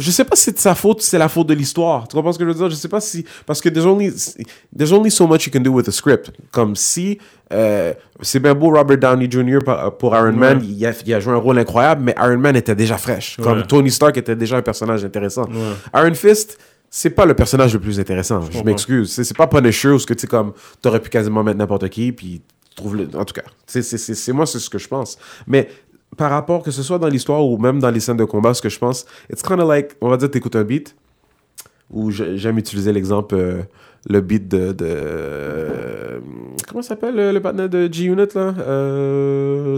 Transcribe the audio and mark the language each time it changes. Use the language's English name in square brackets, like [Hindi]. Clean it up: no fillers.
[French] Je sais pas si c'est de sa faute ou c'est la faute de l'histoire. Tu comprends ce que je veux dire? Je sais pas si... Parce que [English] there's only so much you can do with a script. [French] Comme si... c'est bien beau Robert Downey Jr. pour Iron Man. Il a joué un rôle incroyable, mais Iron Man était déjà fraîche. Comme Tony Stark était déjà un personnage intéressant. Ouais. Iron Fist... c'est pas le personnage le plus intéressant, je m'excuse. C'est pas Punisher où tu aurais pu quasiment mettre n'importe qui, puis trouve-le. En tout cas, c'est moi, c'est ce que je pense. Mais par rapport, que ce soit dans l'histoire ou même dans les scènes de combat, ce que je pense, [English] it's kind of like, [French] on va dire, t'écoutes un beat, où j'aime utiliser l'exemple, le beat de comment ça s'appelle le partner de G-Unit, là?